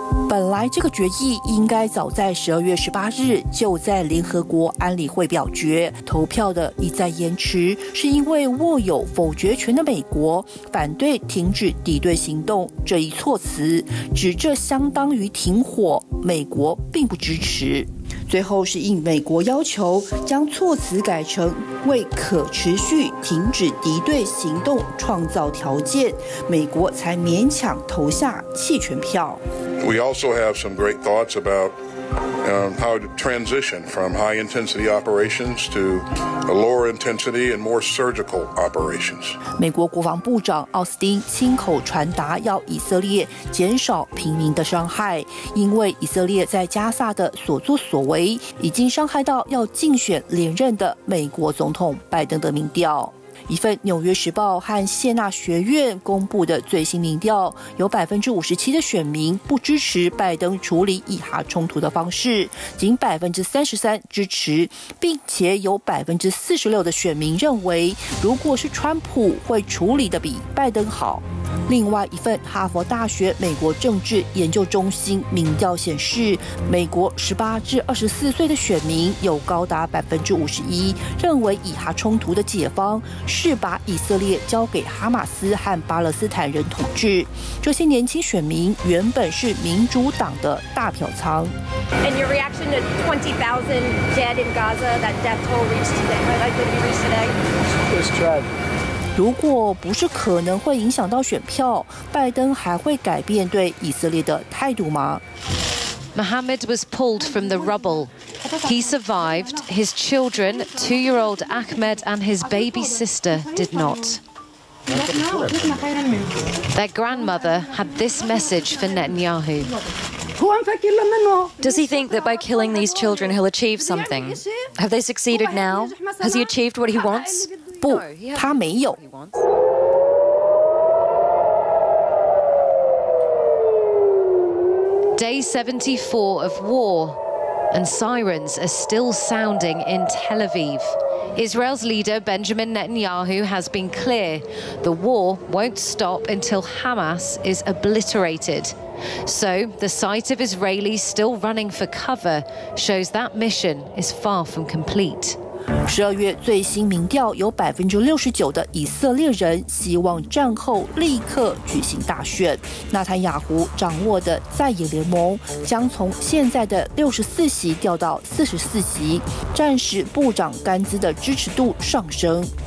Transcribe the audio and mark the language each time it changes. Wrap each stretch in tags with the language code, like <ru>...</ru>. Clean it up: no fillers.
<zh>本来这个决议应该早在12月18日就在联合国安理会表决，投票的一再延迟，是因为握有否决权的美国反对停止敌对行动这一措辞，指这相当于停火，美国并不支持。最后是应美国要求，将措辞改成为可持续停止敌对行动创造条件，美国才勉强投下弃权票。</zh> <en>We also have some great thoughts about, how to transition from high intensity operations to a lower intensity and more surgical operations.</en> <zh>美国国防部长奥斯汀亲口传达要以色列减少平民的伤害，因为以色列在加萨的所作所为已经伤害到要竞选连任的美国总统拜登的民调。一份《纽约时报》和谢纳学院公布的最新民调，有57%的选民不支持拜登处理以哈冲突的方式，仅33%支持，并且有46%的选民认为，如果是川普会处理的比拜登好。另外一份哈佛大学美国政治研究中心民调显示，美国18至24岁的选民有高达51%认为以哈冲突的解方是把以色列交给哈马斯和巴勒斯坦人统治。这些年轻选民原本是民主党的大票仓。</zh> <en>And your reaction to 20,000 dead in Gaza, that death toll reached today? It's tragic.</en> <zh>如果不是可能会影响到选票，拜登还会改变对以色列的态度吗？</zh> <en>Mohammed was pulled from the rubble. He survived. His children, 2-year-old Ahmed and his baby sister, did not. Their grandmother had this message for Netanyahu. Does he think that by killing these children he'll achieve something? Have they succeeded now? Has he achieved what he wants?</en> <zh>不，他没有。</zh> <en>Day 74 of war, and sirens are still sounding in Tel Aviv. Israel's leader Benjamin Netanyahu has been clear: the war won't stop until Hamas is obliterated. So the sight of Israelis still running for cover shows that mission is far from complete.</en> <zh>12月最新民调有69%的以色列人希望战后立刻举行大选，纳坦雅胡掌握的在野联盟将从现在的64席掉到44席，战时部长甘兹的支持度上升。</zh>